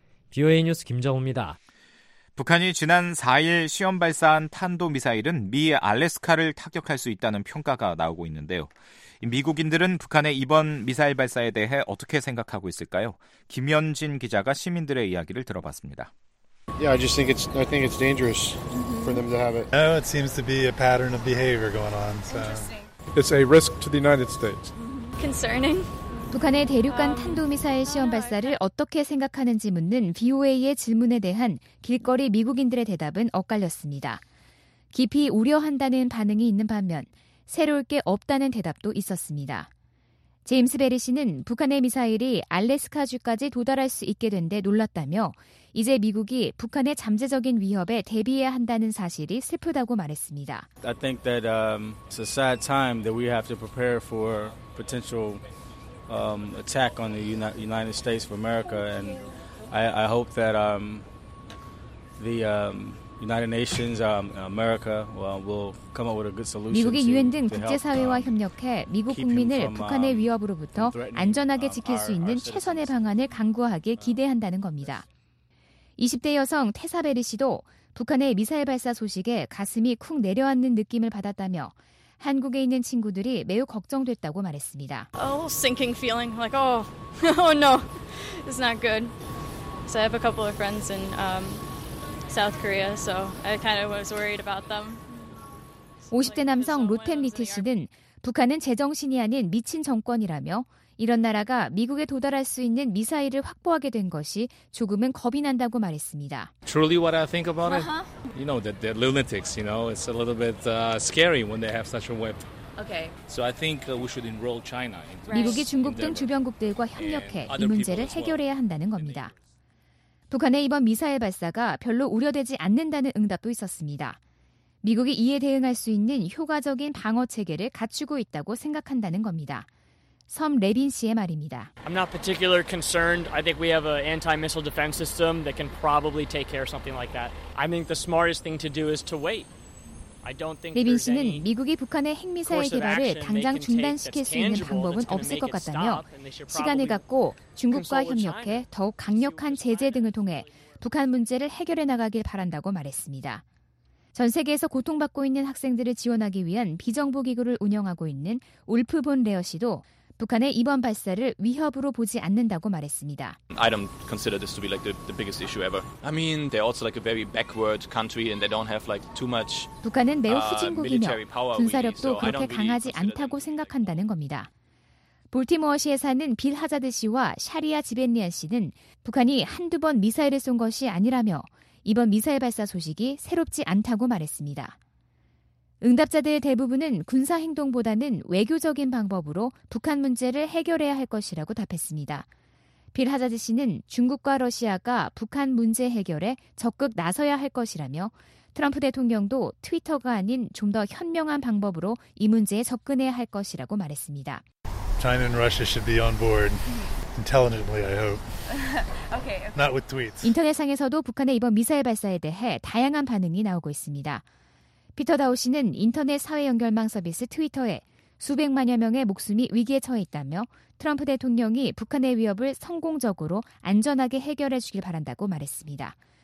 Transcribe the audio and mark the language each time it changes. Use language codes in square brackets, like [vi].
[ko] BOA 뉴스 김정우입니다. 북한이 지난 4일 시험 발사한 탄도미사일은 미 알래스카를 타격할 수 있다는 평가가 나오고 있는데요. 미국인들은 북한의 이번 미사일 발사에 대해 어떻게 생각하고 있을까요? 김현진 기자가 시민들의 이야기를 들어봤습니다. [en] Yeah, I just think it's I think it's dangerous for them to have it. No, it seems to be a pattern of behavior going on. So. It's a risk to the United States. Concerning. [ko] 북한의 대륙간 탄도미사일 시험 발사를 어떻게 생각하는지 묻는 VOA의 질문에 대한 길거리 미국인들의 대답은 엇갈렸습니다. 깊이 우려한다는 반응이 있는 반면 새로울 게 없다는 대답도 있었습니다. 제임스 베리 씨는 북한의 미사일이 알래스카주까지 도달할 수 있게 된 데 놀랐다며 이제 미국이 북한의 잠재적인 위협에 대비해야 한다는 사실이 슬프다고 말했습니다. [en] I think that it's a sad time that we have to prepare for potential attack on the United States of America and I hope that the United Nations America will come up with a good solution. [ko] 미국이 유엔 등 국제 사회와 협력해 미국 국민을 북한의 위협으로부터 안전하게 지킬 수 있는 최선의 방안을 강구하길 기대한다는 겁니다. 20대 여성 테사베리 씨도 북한의 미사일 발사 소식에 가슴이 쿵 내려앉는 느낌을 받았다며 한국에 있는 친구들이 매우 걱정됐다고 말했습니다. [en] A sinking feeling like oh no. It's not good. So I have a couple of friends in South Korea, so I kind of was worried about them. [ko] 50대 남성 로텐 미트 씨는 북한은 제정신이 아닌 미친 정권이라며 이런 나라가 미국에 도달할 수 있는 미사일을 확보하게 된 것이 조금은 겁이 난다고 말했습니다. [en] Truly what I think about it. You know that they're lunatics, you know. It's a little bit scary when they have such a weapon. Okay. So I think we should enroll China. [ko] 미국이 중국 등 주변국들과 협력해 이 문제를 해결해야 한다는 겁니다. 북한의 이번 미사일 발사가 별로 우려되지 않는다는 응답도 있었습니다. 미국이 이에 대응할 수 있는 효과적인 방어 체계를 갖추고 있다고 생각한다는 겁니다. 섬 레빈 씨의 말입니다. [en] I'm not particularly concerned. I think we have an anti-missile defense system that can probably take care of something like that. I think the smartest thing to do is to wait. I don't think [ko] 레빈 씨는 미국이 북한의 핵미사일 개발을 당장 중단시킬 수 있는 방법은 없을 것 같다며 시간을 갖고 중국과 협력해 더욱 강력한 제재 등을 통해 북한 문제를 해결해 나가길 바란다고 말했습니다. 전 세계에서 고통받고 있는 학생들을 지원하기 위한 비정부기구를 운영하고 있는 울프 본 레어 씨도 북한의 이번 발사를 위협으로 보지 않는다고 말했습니다. [en] I don't consider this to be like the biggest issue ever. I mean, they're also like a very backward country and they don't have like too much. [ko] 북한은 매우 후진국이며 군사력도 그렇게 강하지 않다고 생각한다는 겁니다. 볼티모어시에 사는 빌 하자드 씨와 샤리아 지벤리안 씨는 북한이 한두 번 미사일을 쏜 것이 아니라며 이번 미사일 발사 소식이 새롭지 않다고 말했습니다. 응답자들 대부분은 군사 행동보다는 외교적인 방법으로 북한 문제를 해결해야 할 것이라고 답했습니다. 빌 하자드 씨는 중국과 러시아가 북한 문제 해결에 적극 나서야 할 것이라며 트럼프 대통령도 트위터가 아닌 좀 더 현명한 방법으로 이 문제에 접근해야 할 것이라고 말했습니다. [en] China and Russia should be on board intelligently, I hope. Okay. Not with tweets. [ko] 인터넷상에서도 북한의 이번 미사일 발사에 대해 다양한 반응이 나오고 있습니다. 피터 다우 씨는 인터넷 사회 연결망 서비스 트위터에 수백만여 명의 목숨이 위기에 처해 있다며 트럼프 대통령이 북한의 위협을 성공적으로 안전하게 해결해 주길 바란다고 말했습니다.